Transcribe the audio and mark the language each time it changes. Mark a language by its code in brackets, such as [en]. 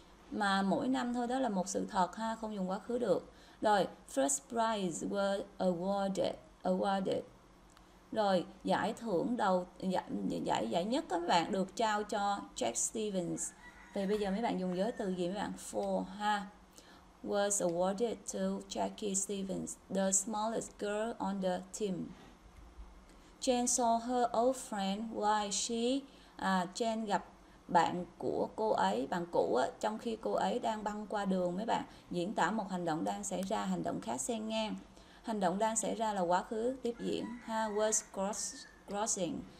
[vi] Mà mỗi năm thôi, đó là một sự thật ha, không dùng quá khứ được. Rồi, [en] first prize was awarded. [vi] Rồi, giải thưởng đầu giải nhất các bạn được trao cho Jack Stevens. Vậy bây giờ mấy bạn dùng giới từ gì mấy bạn? [en] For ha. Was awarded to Jackie Stevens, the smallest girl on the team. Jane saw her old friend while she [vi] Jane gặp bạn của cô ấy, bạn cũ á, trong khi cô ấy đang băng qua đường mấy bạn. Diễn tả một hành động đang xảy ra, hành động khác xen ngang. Hành động đang xảy ra là quá khứ tiếp diễn ha, [en] was crossing.